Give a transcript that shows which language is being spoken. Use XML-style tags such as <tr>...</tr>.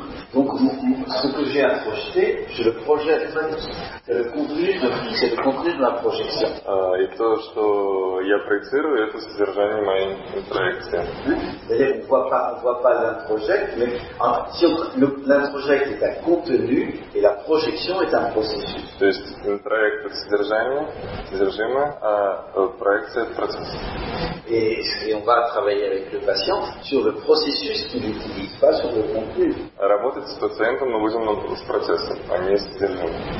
<fr>Donc, ce que j'ai à projeter, je le projette. C'est le contenu de la projection.</fr> <ru>Et то, что я проецирую, это содержание моей проекции.</ru> <fr>D'ailleurs, on voit pas l'introject, mais l'introject est un contenu et la projection est un processus.</fr> <ru>То есть интроект это содержимое, а проекция это процесс.</ru> <fr>Et on va travailler avec le patient sur le processus qu'il utilise, pas sur le contenu.</fr> <ru>Работать с пациентом мы будем с процессом, а не с содержимым.</ru>